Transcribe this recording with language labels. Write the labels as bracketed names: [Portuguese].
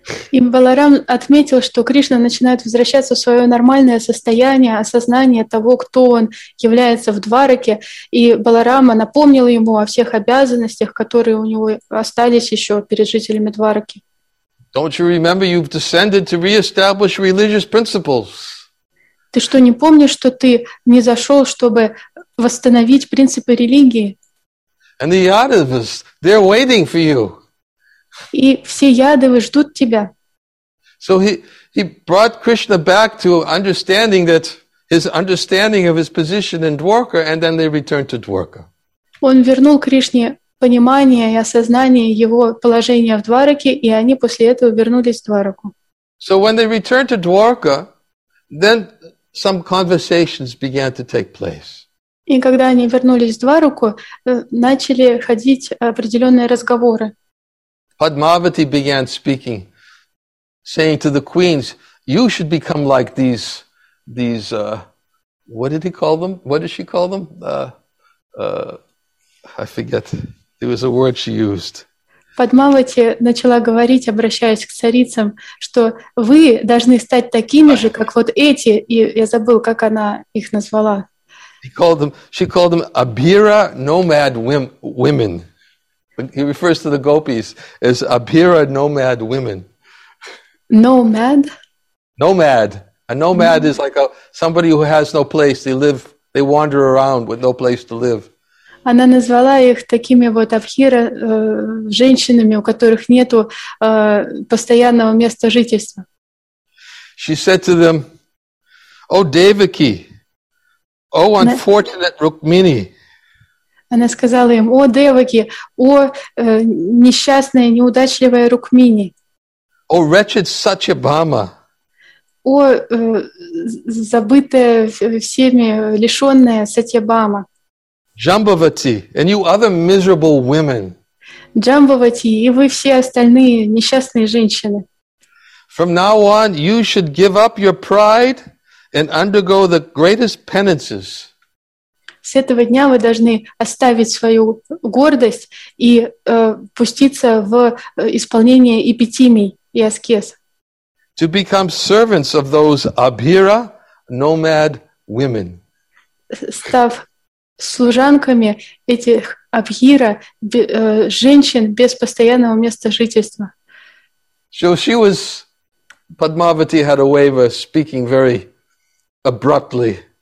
[Russian] И Баларам отметил, что Кришна начинает возвращаться в свое нормальное состояние, осознание того, кто он является в Двараке. И Баларама напомнил ему о всех обязанностях, которые у него остались еще перед жителями Двараки. [English] Don't you remember you've descended to reestablish religious principles? [Russian] Ты что, не помнишь, что ты не зашел, чтобы восстановить принципы религии? [English] And the Yadavas, they're waiting for you. [Russian] И все ядовы ждут тебя. [English] So he brought Krishna back to understanding that his understanding of his position in Dwarka, and then they returned to Dwarka. [Russian] Он вернул Кришне понимание и осознание его положения в Двараке, и они после этого вернулись в Двараку. [English] So when they returned to Dwarka, then some conversations began to take place. [Russian] И когда они вернулись в Двараку, начали ходить определенные разговоры. [English] Padmavati began speaking, saying to the queens, you should become like these, what did he call them? What did she call them? I forget. It was a word she used. [Russian] Padmavati начала говорить, обращаясь к царицам, что вы должны стать такими же, как вот эти, и я забыл, как она их назвала. [English] She called them Abhira nomad women. He refers to the gopis as Abhira nomad women. Nomad? Nomad. A nomad is like somebody who has no place. They wander around with no place to live. [Russian] она назвала их такими вот абхира, женщинами, у которых нету постоянного места жительства. [English] She said to them, "O Devaki, O unfortunate Rukmini." [Russian] Она сказала им: "О Девки, о несчастная, неудачливая Рукмини." [English] "O wretched Satyabhama." [Russian] О забытая всеми, лишённая Сатьябама. [English] "Jambavati, and you other miserable women." [Russian] Jambavati, и вы все остальные несчастные женщины. [English] "From now on, you should give up your pride and undergo the greatest penances." [Russian] С этого дня вы должны оставить свою гордость и пуститься в исполнение эпитимий и аскез. [English] "To become servants of those abhira nomad women." [Russian] Став служанками этих абхира, женщин без постоянного места жительства. [English] So she was, Padmavati had a way of speaking very abruptly.